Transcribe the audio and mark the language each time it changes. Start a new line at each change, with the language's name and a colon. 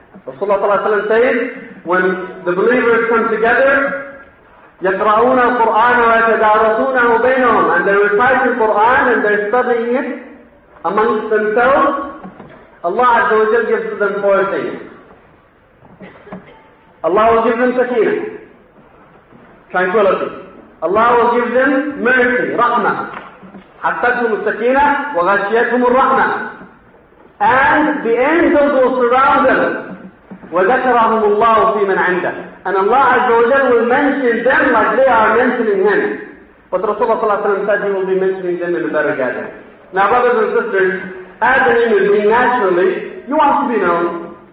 English: Rasulullah sallallahu alayhi wa sallam says, when the believers come together,
Arabic: يقرؤون القرآن ويتدارسونه بينهم
English: and they recite the Quran and they're studying it amongst themselves. Allah Azza wa Jalla gives them four things. Allah will give them sakina, tranquility. Allah will give them mercy, rahmah.
Arabic: حفتهم السكينة وغشيتهم الرحمة.
English: And the angels will surround them.
Arabic: وذكرهم الله في من عنده.
English: And Allah Azza wa Jalla will mention them like they are mentioning him. But Rasulullah said he will be mentioning them in a better gathering. Now, brothers and sisters, as a human being naturally, you want to be known.